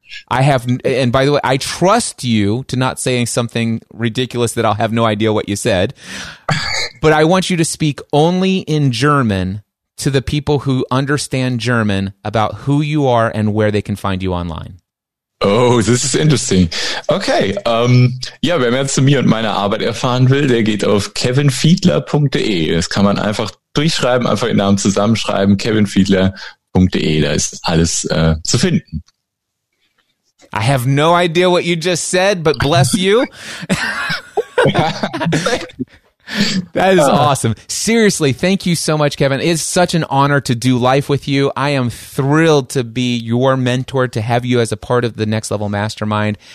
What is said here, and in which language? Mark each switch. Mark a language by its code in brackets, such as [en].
[en] I have, and by the way, I trust you to not saying something ridiculous that I'll have no idea what you said, but I want you to speak only in German to the people who understand German about who you are and where they can find you online. Oh, this is interesting. Okay. [de] Ja, wer mehr zu mir und meiner Arbeit erfahren will, der geht auf kevinfiedler.de. Das kann man einfach durchschreiben, einfach den Namen zusammenschreiben, kevinfiedler.de. Da ist alles zu finden. [en] I have no idea what you just said, but bless you. That is awesome. Seriously, thank you so much, Kevin. It's such an honor to do life with you. I am thrilled to be your mentor, to have you as a part of the Next Level Mastermind.